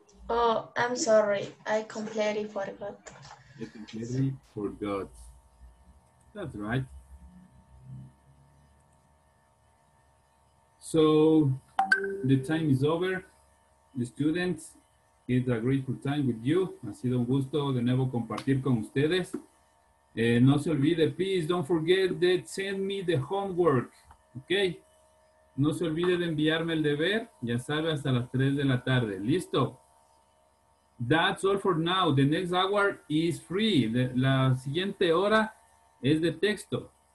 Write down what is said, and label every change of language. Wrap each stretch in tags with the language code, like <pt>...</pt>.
<en>Oh, I'm sorry. I completely forgot. I completely forgot. That's right. So, the time is over. The students... It's a grateful time with you.</en> <es>Ha sido un gusto de nuevo compartir con ustedes.</es> <en>No se olvide, please don't forget that send me the homework. Ok.</en> <es>No se olvide de enviarme el deber. Ya sabe, hasta las 3 de la tarde. Listo.</es> <en>That's all for now. The next hour is free. La siguiente hora es de texto.</en>